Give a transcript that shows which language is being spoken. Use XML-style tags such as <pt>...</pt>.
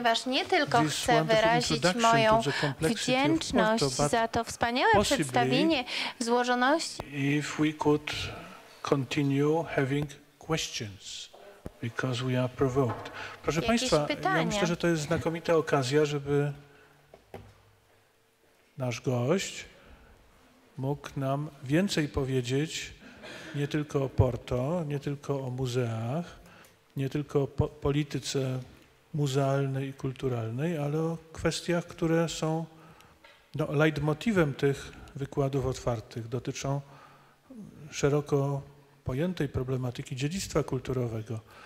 <pl>ponieważ nie tylko chcę wyrazić moją wdzięczność za to wspaniałe przedstawienie złożoności.</pl> <en>If we could continue having questions because we are provoked.</en> <pl>Proszę Państwa, ja myślę, że to jest znakomita okazja, żeby nasz gość mógł nam więcej powiedzieć nie tylko o Porto, nie tylko o muzeach, nie tylko o polityce muzealnej i kulturalnej, ale o kwestiach, które są leitmotivem tych wykładów otwartych, dotyczą szeroko pojętej problematyki dziedzictwa kulturowego.</pl>